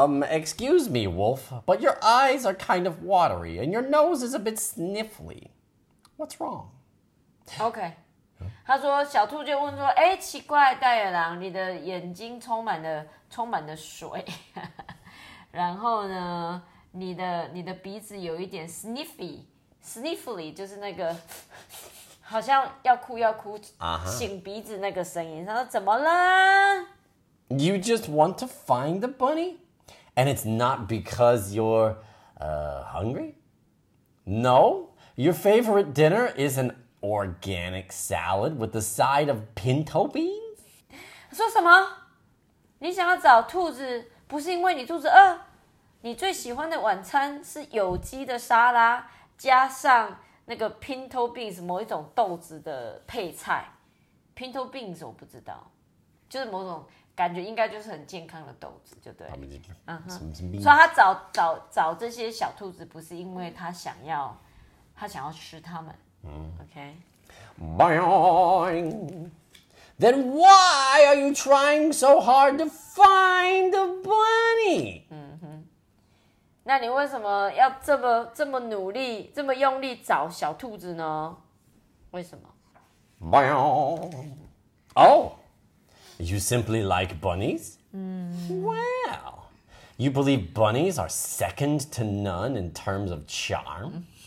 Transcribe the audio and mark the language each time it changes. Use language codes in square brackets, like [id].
[en] Excuse me, Wolf, but your eyes are kind of watery and your nose is a bit sniffly. What's wrong? OK. [zh] 他说小兔就问说哎，奇怪大野狼你的眼睛充满了水。然后呢你的鼻子有一点 sniffly 就是那个好像要哭、uh-huh. 擤鼻子那个声音。他说怎么了 [en] ？You just want to find the bunny, and it's not because you're hungry. No, your favorite dinner is an organic salad with a side of pinto beans. [zh] 说什么？你想要找兔子，不是因为你肚子饿？你最喜欢的晚餐是有机的沙拉加上那个 pinto beans 某一种豆子的配菜 pinto beans 我不知道就是某种感觉应该就是很健康的豆子就对、所以他 找这些小兔子不是因为他想要吃它们、OK [en] Boing! Then why are you trying so hard to find the bunny? [zh] 那你为什么要这么努力、这么用力找小兔子呢？为什么？ [en] 喵。Oh, you simply like bunnies? Well, you believe bunnies are second to none in terms of charm?